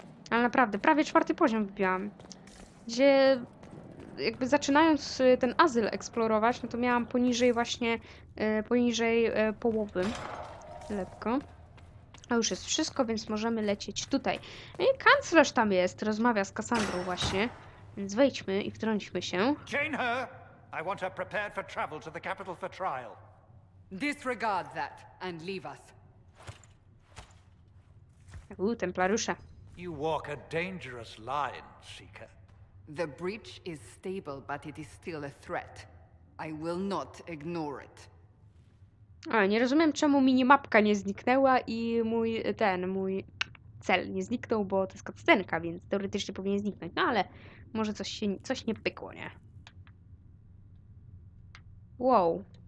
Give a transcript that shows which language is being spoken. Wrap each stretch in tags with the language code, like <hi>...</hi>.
<pl>Ale naprawdę, prawie czwarty poziom wybiłam. Gdzie jakby zaczynając ten azyl eksplorować, no to miałam poniżej właśnie, poniżej połowy. Lekko. A już jest wszystko, więc możemy lecieć tutaj. I kanclerz tam jest, rozmawia z Kassandrą właśnie. Więc wejdźmy i wtrąćmy się.</pl> <en>Jane her! I want her prepared for travel to the capital for trial. Disregard that and leave us.</en> <pl>Ooh, Templariusze.</pl> <en>You walk a dangerous line, Seeker. The breach is stable, but it is still a threat. I will not ignore it.</en> <pl>A, nie rozumiem, czemu minimapka nie zniknęła i mój cel nie zniknął, bo to jest cutscenka, więc teoretycznie powinien zniknąć. No ale może coś nie pykło, nie? Wow.</pl>